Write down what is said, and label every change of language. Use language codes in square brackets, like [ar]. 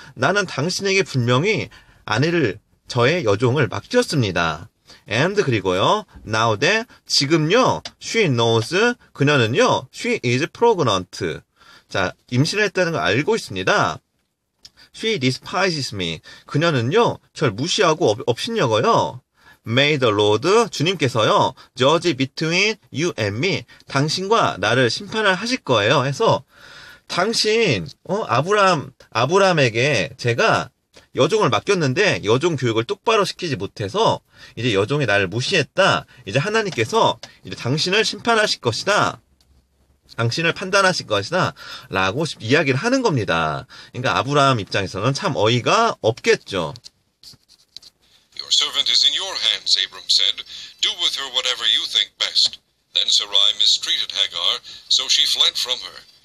[ko] 나는 당신에게 분명히 아내를, 저의 여종을 맡겼습니다. [en] And 그리고요. Now that 지금요. She knows. 그녀는요. She is pregnant. [ko] 자, 임신을 했다는 걸 알고 있습니다. [en] She despises me. [ko] 그녀는요, 저를 무시하고 업신여겨요. [en] May the Lord, 주님께서요, judge between you and me. [ko] 당신과 나를 심판을 하실 거예요. 해서, 당신, 아브라함에게 제가 여종을 맡겼는데, 여종 교육을 똑바로 시키지 못해서, 이제 여종이 나를 무시했다. 이제 하나님께서 이제 당신을 심판하실 것이다. 당신을 판단하실 것이다 라고 이야기를 하는 겁니다. 그러니까 아브라함 입장에서는 참 어이가 없겠죠. [en] Your servant is in your hands, Abram said. Do with her whatever you think best. Then Sarai mistreated Hagar, so she fled from her.